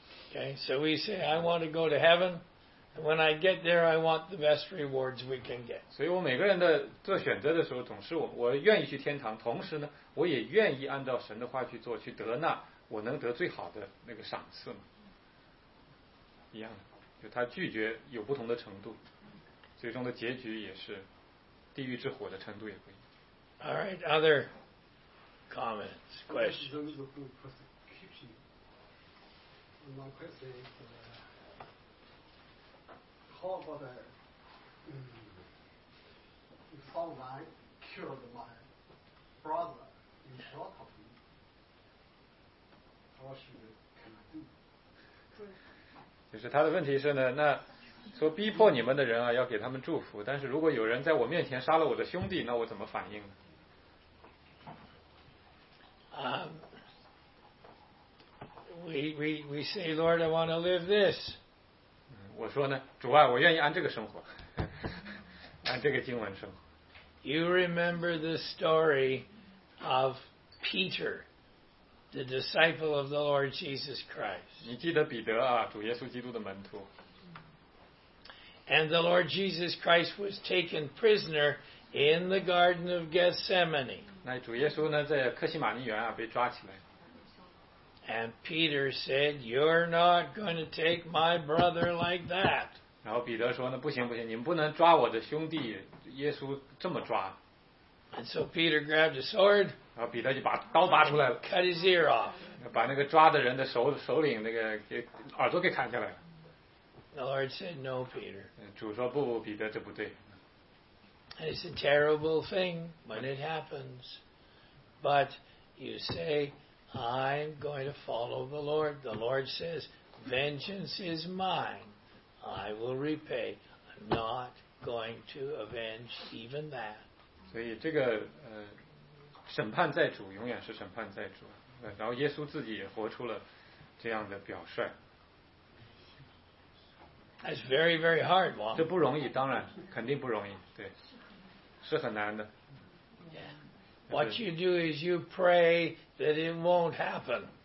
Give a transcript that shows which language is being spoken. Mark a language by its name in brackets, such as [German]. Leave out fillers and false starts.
[English] Okay, so we say I want to go to heaven, and when I get there, I want the best rewards we can get. [Chinese] 所以我每个人的做选择的时候，总是我愿意去天堂，同时呢，我也愿意按照神的话去做，去得那我能得最好的那个赏赐嘛，一样的。他拒绝有不同的程度，最终的结局也是地狱之火的程度也不一样。 [English] All right, other comments, questions. My question is, how about if someone killed my brother in front of me, how should I can do? [Chinese] 就是他的问题是呢，那说逼迫你们的人啊，要给他们祝福。但是如果有人在我面前杀了我的兄弟，那我怎么反应呢？ [English] We say, Lord, I want to live this. [Chinese] 我说呢，主啊，我愿意按这个生活，按这个经文生活。 [English] You remember the story of Peter. The disciple of the Lord Jesus Christ. [Chinese] 你记得彼得啊，主耶稣基督的门徒。 [English] And the Lord Jesus Christ was taken prisoner in the Garden of Gethsemane. [Chinese] 那主耶稣呢，在克西马尼园啊被抓起来。 [English] And Peter said, "You're not going to take my brother like that." [Chinese] 然后彼得说呢，不行不行，你们不能抓我的兄弟耶稣这么抓。 [English] And so Peter grabbed a sword. [Chinese] 然后彼得就把刀拔出来了。 [English] Cut his ear off. [Chinese] 把那个抓的人的首领那个给耳朵给砍下来。 [English] The Lord said no, Peter. [Chinese] 主说不，彼得这不对。 [English] It's a terrible thing when it happens, but you say, "I'm going to follow the Lord." The Lord says, "Vengeance is mine. I will repay. I'm not going to avenge even that." [Chinese] 所以这个审判在主，永远是审判在主。然后耶稣自己也活出了这样的表率。 [English] That's very, very hard, Mom. [Chinese] 这不容易，当然肯定不容易，对，是很难的。 [English] Yeah. What you do is you pray that it won't happen.